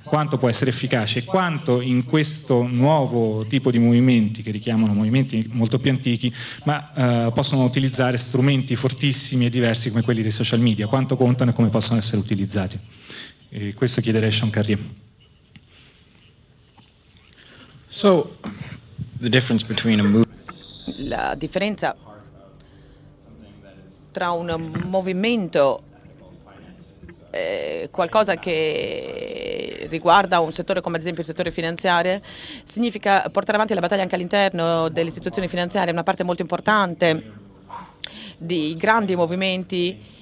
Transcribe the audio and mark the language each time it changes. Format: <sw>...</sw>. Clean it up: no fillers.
<it>Quanto può essere efficace? Quanto in questo nuovo tipo di movimenti, che richiamano movimenti molto più antichi, ma possono utilizzare strumenti fortissimi e diversi come quelli dei social media? Quanto contano e come possono essere utilizzati? E questo chiederei a Sean Carrier.</it> <en>So, the difference between a movement.</en> <it>La differenza tra un movimento e qualcosa che riguarda un settore come ad esempio il settore finanziario significa portare avanti la battaglia anche all'interno delle istituzioni finanziarie, una parte molto importante di grandi movimenti.</it>